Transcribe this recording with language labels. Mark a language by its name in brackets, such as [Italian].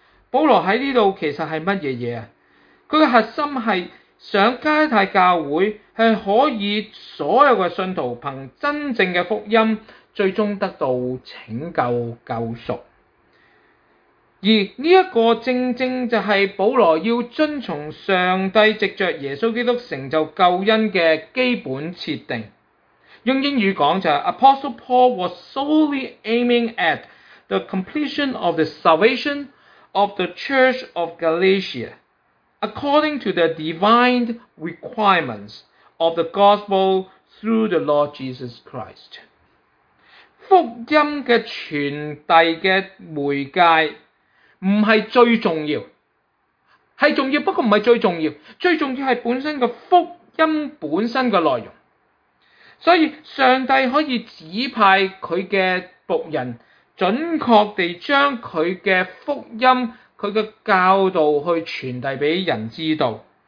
[Chinese] 保罗在这里其实是什么东西啊？他的核心是想加拉太教会是可以所有的信徒凭真正的福音最终得到拯救救赎。而这个正正就是保罗要遵从上帝藉着耶稣基督成就救恩的基本设定。用英语讲就是 [English] Apostle Paul was solely aiming at the completion of the salvation of the Church of Galatia according to the divine requirements of the gospel through the Lord Jesus Christ。 [Chinese] 福音的传递的媒介不是最重要，是重要，不过不是最重要，最重要是本身的福音本身的内容。所以上帝可以指派他的仆人准确地将他的福音、他的教导去传递给人知道。